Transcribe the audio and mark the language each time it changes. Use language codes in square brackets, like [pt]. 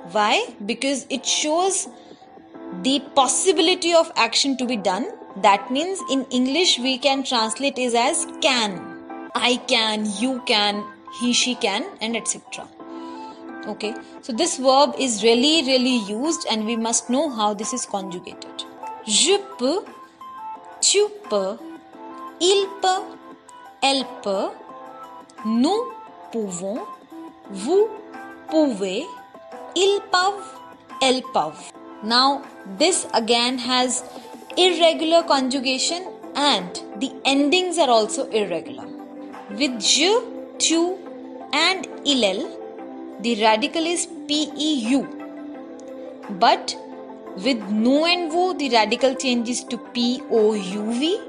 [en] Why? Because it shows the possibility of action to be done That means in English we can translate it as can. I can, you can, he, she can, and etc. Okay, so this verb is really, really used and we must know how this is conjugated. [fr] Je peux, tu peux, il peut, elle peut, nous pouvons, vous pouvez, ils peuvent, elles peuvent. [en] Now, this again has irregular conjugation and the endings are also irregular. With je, tu and ilel, the radical is peu. But with nous and vous, the radical changes to pouv.